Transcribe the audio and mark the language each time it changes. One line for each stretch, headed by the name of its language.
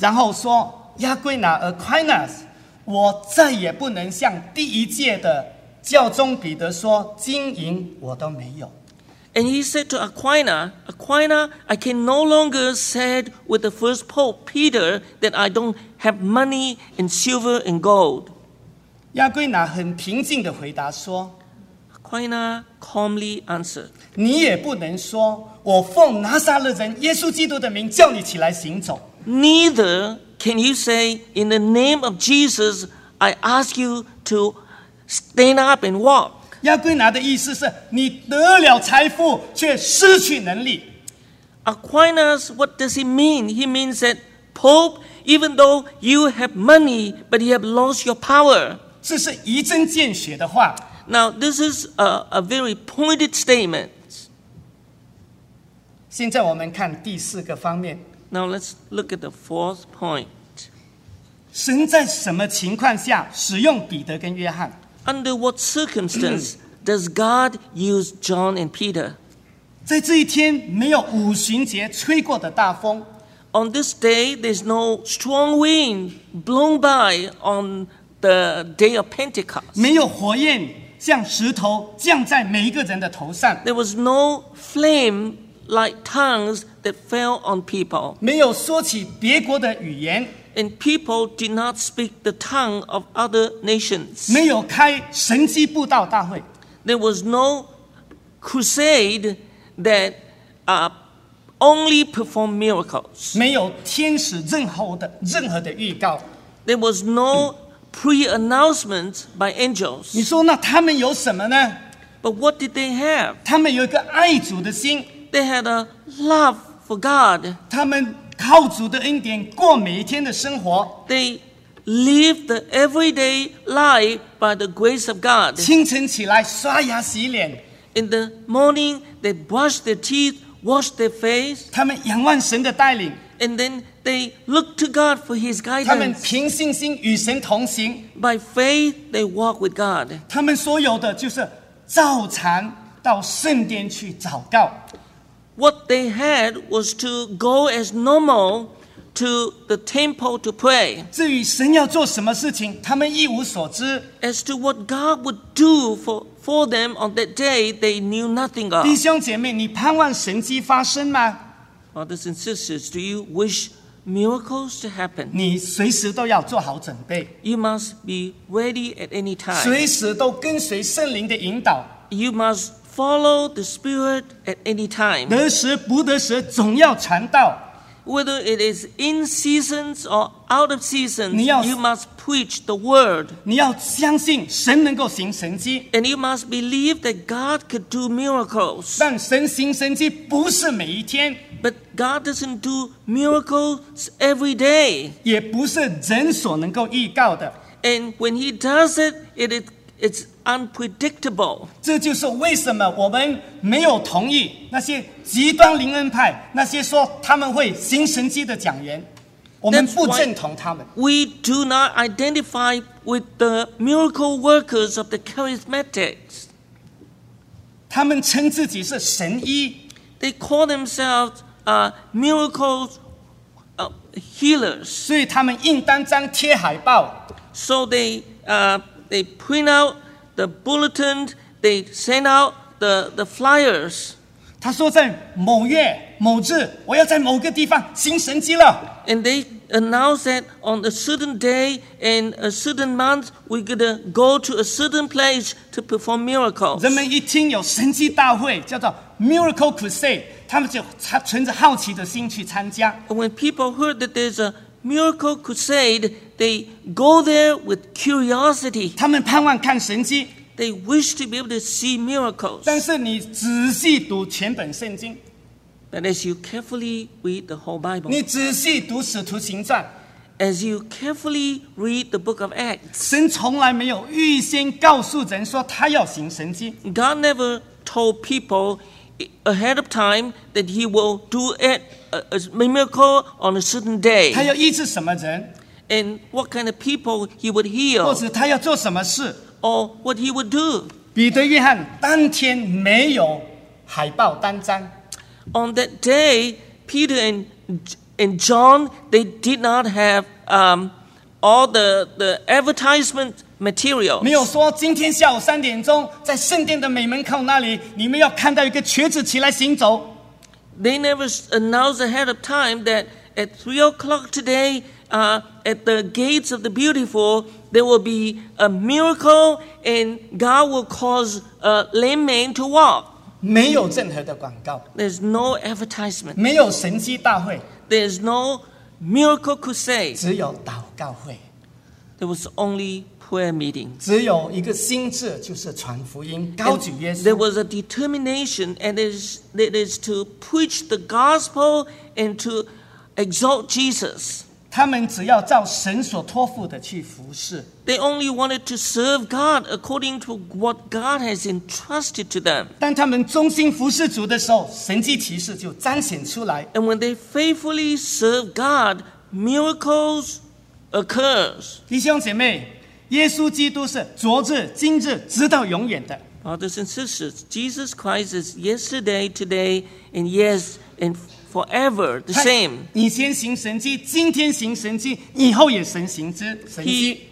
Chinese: 然后说，亚圭纳 Aquinas， 我再也不能像第一届的教宗彼得说，金银我都没有。
English: And he said to Aquinas, I can no longer say with the first Pope Peter that I don't have money and silver and gold.
Chinese: 亚圭纳很平静地回答说。
English: Aquinas calmly answered.
Chinese: 你也不能说。我奉拿撒勒人耶稣基督的名叫你起来行走。
English: Neither can you say, in the name of Jesus, I ask you to stand up and walk.
Chinese: 亚圭纳的意思是，你得了财富，却失去能力。
English: Aquinas, what does he mean? He means that, Pope, even though you have money, but you have lost your power.
Chinese: 这是一针见血的话。
English: Now, this is a very pointed statement.
Chinese: 现在我们看第四个方面。
English: Now let's look at the fourth point.
Chinese: 神在什么情况下使用彼得跟约翰？
English: Under what circumstance does God use John and Peter?
Chinese: 在这一天没有五旬节吹过的大风。
English: On this day, there's no strong wind blown by on the day of Pentecost.
Chinese: 没有火焰像石头降在每一个人的头上。
English: There was no flame. Like tongues that fell on people.
Chinese: 没有说起别国的语言。
English: And people did not speak the tongue of other nations.
Chinese: 没有开神迹布道大会。
English: There was no crusade that only performed miracles.
Chinese: 没有天使任何的预告。
English: There was no pre-announcement by angels.
Chinese: 你说那他们有什么呢？
English: But what did they have?
Chinese: 他们有一个爱主的心。
English: They had a love for God.
Chinese: 他们靠主的恩典过每一天的生活。
English: They lived the everyday life by the grace of God.
Chinese: 清晨起来刷牙洗脸。
English: In the morning, they brushed their teeth, washed their face.
Chinese: 他们仰望神的带领。
English: And then they looked to God for His guidance.
Chinese: 他们凭信心与神同行。
English: By faith, they walked with God.
Chinese: 他们所有的就是照常到圣殿去祷告。
English: What they had was to go as normal to the temple to pray.
Chinese: 至于神要做什么事情，他们一无所知。
English: As to what God would do for them on that day, they knew nothing of.
Chinese: 弟兄姐妹，你盼望神迹发生吗？
English: Brothers and sisters, do you wish miracles to happen?
Chinese: 你随时都要做好准备。
English: You must be ready at any time.
Chinese: 随时都跟随圣灵的引导。
English: You must. Follow the Spirit at any time.
Chinese: 得时不得时，总要传道。
English: whether it is in seasons or out of seasons, you must preach the word.
Chinese: 你要相信神能够行神迹。
English: And you must believe that God could do miracles.
Chinese: 但神行神迹不是每一天。
English: But God doesn't do miracles every day.
Chinese: 也不是人所能够预告的。
English: And when he does it, it's unpredictable.
Chinese: 这就是为什么我们没有同意那些极端灵恩派，那些说他们会行神迹的讲员，我们不认同他们。
English: We do not identify with the miracle workers of the charismatics.
Chinese: 他们称自己是神医。
English: They call themselves miracle healers.
Chinese: 所以他们印单张贴海报。
English: So they print out the bulletin, they send out the flyers.
Chinese: 他说在某月某日，我要在某个地方行神迹了。
English: And they announce that on a certain day and a certain month, we're gonna go to a certain place to perform miracles.
Chinese: 人们一听有神迹大会，叫做 Miracle Crusade， 他们就存着好奇的心去参加。
English: And when people heard that there's a Miracle Crusade, they go there with curiosity.
Chinese: 他们盼望看神迹。
English: They wish to be able to see miracles.
Chinese: 但是你仔细读全本圣经。
English: But as you carefully read the whole Bible.
Chinese: 你仔细读使徒行传。
English: As you carefully read the book of Acts.
Chinese: 神从来没有预先告诉人说他要行神迹。
English: God never told people ahead of time that he will do it. A miracle on a certain day.
Chinese: 他要医治什么人？
English: And what kind of people he would heal?
Chinese: 或者他要做什么事？
English: Or what he would do?
Chinese: 彼得、约翰当天没有海报单张。
English: On that day, Peter and John, they did not have all the advertisement materials.
Chinese: 没有说今天下午三点钟在圣殿的美门口那里，你们要看到一个瘸子起来行走。
English: They never announced ahead of time that at 3 o'clock today, at the gates of the beautiful, there will be a miracle and God will cause a lame man to walk.
Chinese: 没有任何的广告。
English: There's no advertisement.
Chinese: 没有神迹大会。
English: There's no miracle crusade.
Chinese: 只有祷告会。
English: There was only prayer meeting.
Chinese: 只有一个心志，就是传福音，高举耶稣。
English: There was a determination, and it is to preach the gospel and to exalt Jesus.
Chinese: 他们只要照神所托付的去服事。
English: They only wanted to serve God according to what God has entrusted to them.
Chinese: 当他们忠心服事主的时候，神迹奇事就彰显出来。
English: And when they faithfully serve God, miracles occurs.
Chinese: 弟兄姐妹，耶稣基督是昨日、今日、直到永远的。
English: Brothers and sisters, Jesus Christ is yesterday, today, and yes, and forever the same.
Chinese: 以前行神迹，今天行神迹，以后也神行之神迹。